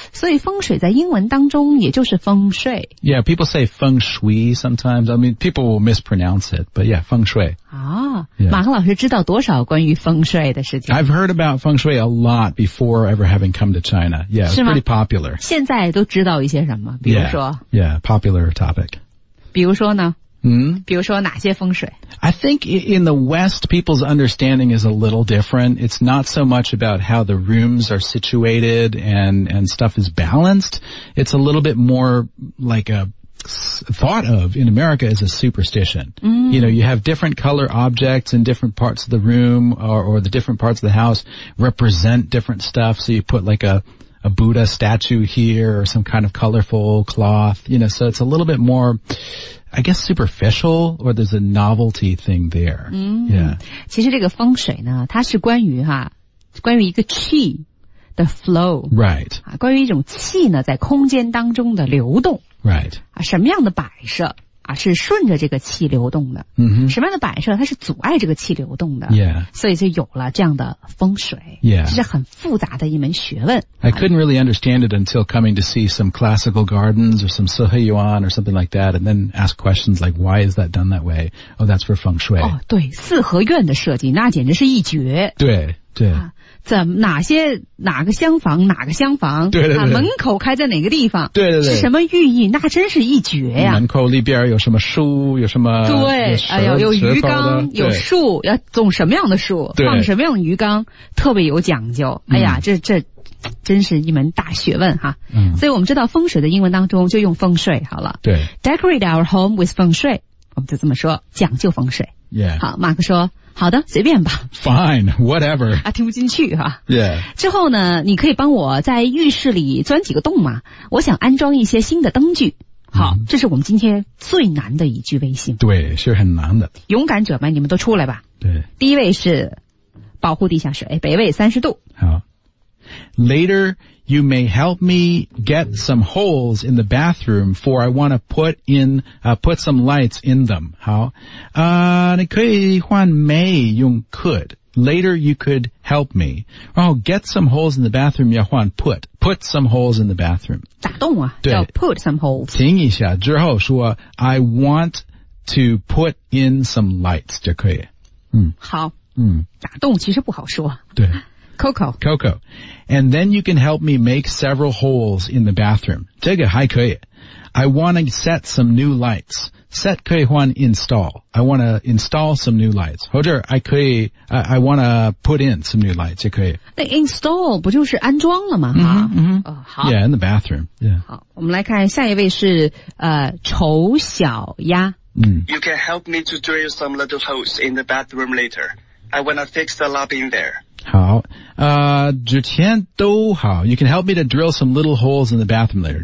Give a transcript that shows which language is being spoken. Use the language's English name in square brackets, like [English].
[Chinese] 所以风水在英文当中也就是风水 [English] Yeah, people say feng shui sometimes. I mean, people will mispronounce it, but yeah, 风水、啊 yeah. [Chinese] 马克老师知道多少关于风水的事情 [English] I've heard about feng shui a lot before ever having come to China. Yeah, it's pretty popular. [Chinese] 现在都知道一些什么比如说 [English] yeah, yeah, popular topic. [Chinese] 比如说呢 Mm-hmm. 比如说哪些风水 [English] I think in the West, people's understanding is a little different. It's not so much about how the rooms are situated and stuff is balanced. It's a little bit more like a thought of in America as a superstition.、 Mm-hmm. You know, you have different color objects in different parts of the room or the different parts of the house represent different stuff. So you put like a Buddha statue here or some kind of colorful cloth, you know, so it's a little bit more... I guess superficial, or there's a novelty thing there.、嗯、 yeah. [Chinese] 其实这个风水呢，它是关于哈，关于一个气的 flow. [English] Right. [Chinese] 啊，关于一种气呢，在空间当中的流动。 [English] Right. [Chinese] 啊，什么样的摆设啊，是顺着这个气流动的？嗯哼。什么样的摆设，它是阻碍这个气流动的 [English] ？Yeah. [Chinese] 所以就有了这样的风水。 [English] Yeah. [Chinese] 这是很复杂的一门学问。 [English] I couldn't really understand it until coming to see some classical gardens or some Sihe Yuan or something like that, and then ask questions like, "Why is that done that way? Oh, that's for feng shui." [Chinese] 哦，对，四合院的设计那简直是一绝。对，对，怎么哪个厢房？对对对，门口开在哪个地方？对对对，是什么寓意？那真是一绝呀！门口里边有什么书？有什么？对，哎呦，有鱼缸，有树，要种什么样的树？放什么样的鱼缸？特别有讲究。哎呀，这真是一门大学问哈。嗯，所以我们知道风水的英文当中就用风水好了。对， [English] decorate our home with [Chinese] 风水，我们就这么说，讲究风水。 [English] Yeah. [Chinese] 好，马克说。好的，随便吧。 [English] Fine, whatever. [Chinese] 啊，听不进去哈、啊。 [English] Yeah. [Chinese] 之后呢，你可以帮我在浴室里钻几个洞吗？我想安装一些新的灯具。好、嗯，这是我们今天最难的一句微信。对，是很难的。勇敢者们，你们都出来吧。对。第一位是保护地下水，北纬30度。好。 [English] Later, you may help me get some holes in the bathroom, for I want to put some lights in them. [Chinese] 好，你可以换 may 用 could. [English] Later, you could help me. [Chinese] 然后 [English] get some holes in the bathroom [Chinese] 要换 [English] put some holes in the bathroom. [Chinese] 打洞啊，对，要 [English] put some holes. [Chinese] 停一下之后说 [English] I want to put in some lights [Chinese] 就可以。嗯，好。嗯，打洞其实不好说。对。 [English] Coco. And then you can help me make several holes in the bathroom. [Chinese] 这个还可以。 [English] I want to set some new lights. Set 可以换 install. I want to install some new lights. [Chinese] 或者 [English] I want to put in some new lights. [Chinese] 也可以。那 install 不就是安装了吗？ Mm-hmm, mm-hmm. 好。 [English] Yeah, in the bathroom. Yeah. [Chinese] 好，我们来看下一位是丑小鸭。 [English] You can help me to drill some little holes in the bathroom later. I want to fix the lobby in there. [Chinese] 好，之前都好。 [English] You can help me to drill some little holes in the bathroom later.